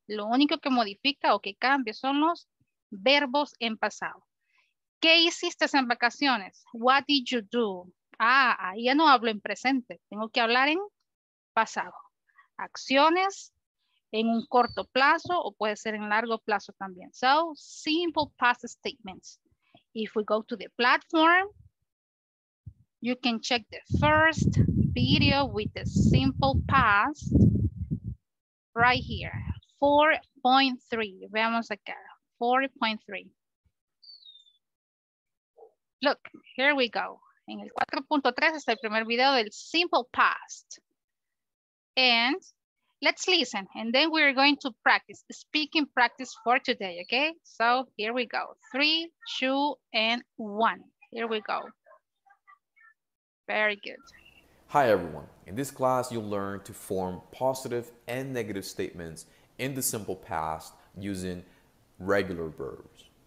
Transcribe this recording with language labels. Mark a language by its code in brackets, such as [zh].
[es] Lo único que modifica o que cambia son los verbos en pasado. ¿Qué hiciste en vacaciones? [en] What did you do? [es] Ah, ahí ya no hablo en presente. Tengo que hablar en pasado. Acciones en un corto plazo o puede ser en largo plazo también. [en] So, simple past statements. If we go to the platform, you can check the first video with the simple past. Right here, 4.3. [es] Veamos acá, 4.3. [en] Look, here we go. [es] En el 4.3 está el primer video del simple past. [en] And let's listen, and then we're going to practice, speaking practice for today, okay? So here we go, 3, 2, and 1. Here we go. Very good. Hi everyone, in this class you'll learn to form positive and negative statements in the simple past using regular verbs.